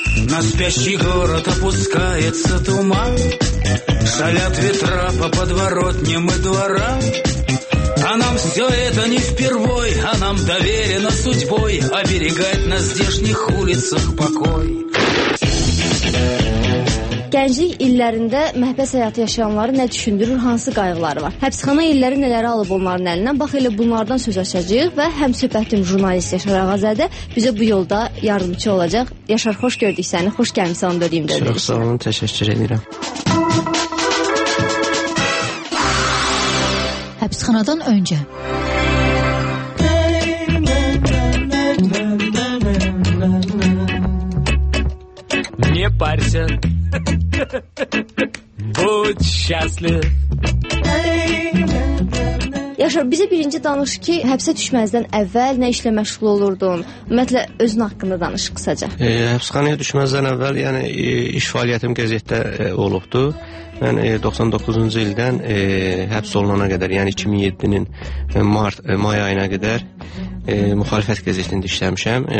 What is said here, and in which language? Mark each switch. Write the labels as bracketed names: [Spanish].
[Russian] На спящий город опускается туман, шалят ветра по подворотням и дворам. А нам все это не впервой, а нам доверено судьбой оберегать на здешних улицах покой. [Azerbaijani] Gənclik illərində məhbəs həyatı yaşayanları nə düşündürür, hansı qayğıları var? Həbsxana illəri nələri alıb onların əlindən? Bax, elə bunlardan söz açacağıq və həm söhbətim jurnalist Yaşar Ağazadə bizə bu yolda yardımcı olacaq. Yaşar, xoş gördük səni, xoş gəlmişsən, onu dediyim dedik. Çox sağ olun, təşəkkür edirəm. Həbsxanadan öncə. [Russian] Не парься, будь счастлив. [Azerbaijani] Yaşar, bizə birinci danış ki, həbsə düşməzdən əvvəl nə işlə məşğul olurdun? Ümumiyyətlə, özün haqqında danış qısaca. Həbsxanaya düşməzdən əvvəl, yəni, iş fəaliyyətim qəzetdə olubdu. Mən 99-cu ildən həbs olunana qədər, yəni 2007-nin may ayına qədər müxalifət qəzetində işləmişəm.